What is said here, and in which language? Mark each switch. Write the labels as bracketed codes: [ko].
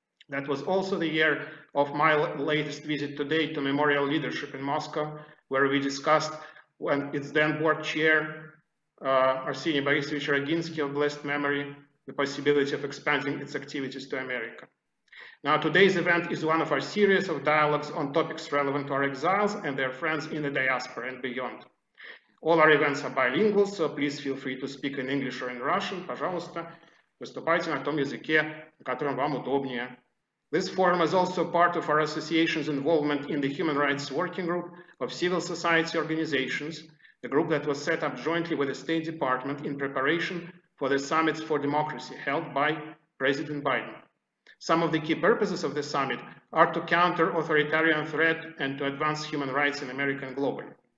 [en] That was also the year of my latest visit today to Memorial leadership in Moscow, where we discussed when its then board chair, Arseniy Borisovich Roginsky of blessed memory, the possibility of expanding its activities to America. Now, today's event is one of our series of dialogues on topics relevant to our exiles and their friends in the diaspora and beyond. All our events are bilingual, so please feel free to speak in English or in Russian. [ru] Пожалуйста, выступайте на том языке, которым вам удобнее. [en] This forum is also part of our association's involvement in the Human Rights Working Group of Civil Society Organizations, a group that was set up jointly with the State Department in preparation for the Summits for Democracy held by President Biden. Some of the key purposes of the summit are to counter authoritarian threat and to advance human rights in America and globally.